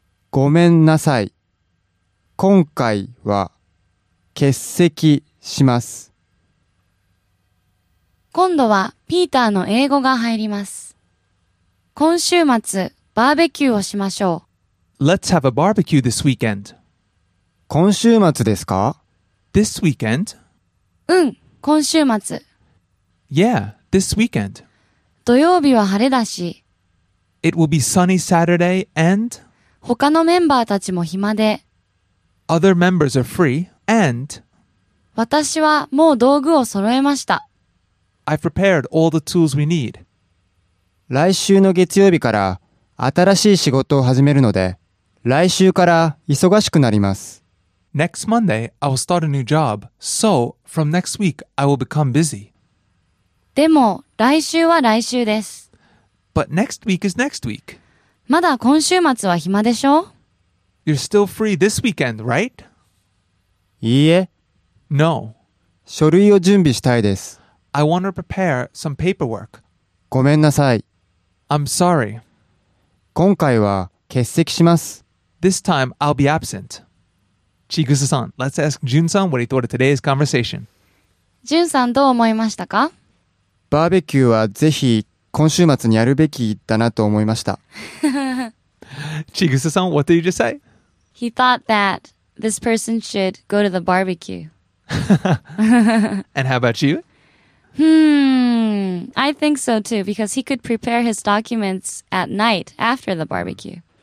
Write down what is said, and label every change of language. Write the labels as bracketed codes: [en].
[ja] ごめんなさい。今回は欠席します。今度はピーターの英語が入ります。今週末、バーベキューをしましょう。 [en] Let's have a barbecue this weekend. [ja] 今週末ですか？ [en] This weekend? [ja] うん、今週末。 [en] Yeah, this weekend. [ja] 土曜日は晴れだし、 [en] It will be sunny Saturday and [ja] 他のメンバーたちも暇で [en] Other members are free and [ja] 私はもう道具を揃えました。 [en] I've prepared all the tools we need. [ja] 来週の月曜日から新しい仕事を始めるので来週から忙しくなります。 [en] Next Monday, I will start a new job. So, from next week, I will become busy. [ja] でも来週は来週です。 [en] But next week is next week. [ja] まだ今週末は暇でしょ? [en] You're still free this weekend, right? [ja] いいえ。 [en] No. [ja] 書類を準備したいです。 [en] I want to prepare some paperwork. [ja] ごめんなさい。 [en] I'm sorry. [ja] 今回は欠席します。 [en] This time I'll be absent. Chigusa-san, let's ask Jun-san what he thought of today's conversation. [ja] Jun-san, どう思いましたか? バーベキューはぜひ今週末にやるべきだなと思いました。 [en] Chigusa-san, what did you just say? He thought that this person should go to the barbecue. And how about you? I think so too, because he could prepare his documents at night after the barbecue.